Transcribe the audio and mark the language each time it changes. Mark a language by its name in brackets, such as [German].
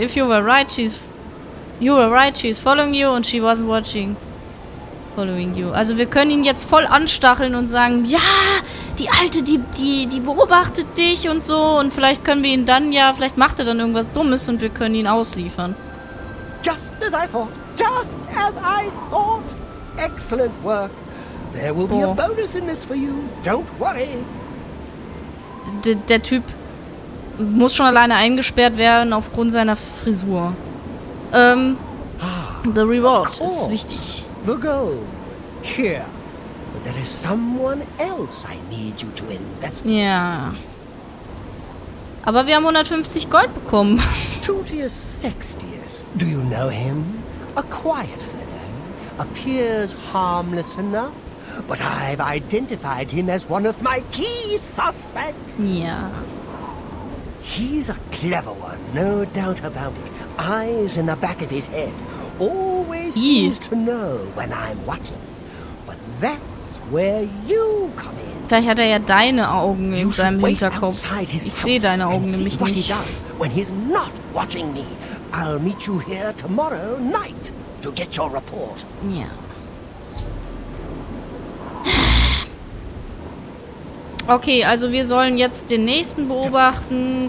[English] If you were right, she's following you and she wasn't watching. Following you. [German] Also wir können ihn jetzt voll anstacheln und sagen, ja, die Alte, die beobachtet dich und so. Und vielleicht können wir ihn dann ja, vielleicht macht er dann irgendwas Dummes und wir können ihn ausliefern. [English] Just as I thought. Just as I thought. Excellent work. There will be a bonus in this for you. Don't worry. [German] Der Typ muss schon alleine eingesperrt werden aufgrund seiner Frisur. [English] The reward [German] ist wichtig. [English] The gold. Here. But there is someone else I need you to invest [German] in. Ja. Aber wir haben 150 Gold bekommen. [English] Tutius Sextius. Do you know him? A quiet fellow. Appears harmless enough. But I've identified him as one of my key suspects. [German] Ja. [English] He's a clever one, no doubt about it. Eyes in the back of his head. Always seems to know when I'm watching. But that's where you come in. [German] Vielleicht hat er ja deine Augen in seinem Hinterkopf. Ich sehe deine Augen nämlich nicht. [English] What he does when he's not watching me. I'll meet you here tomorrow night to get your report. [German] Ja. Okay, also wir sollen jetzt den nächsten beobachten.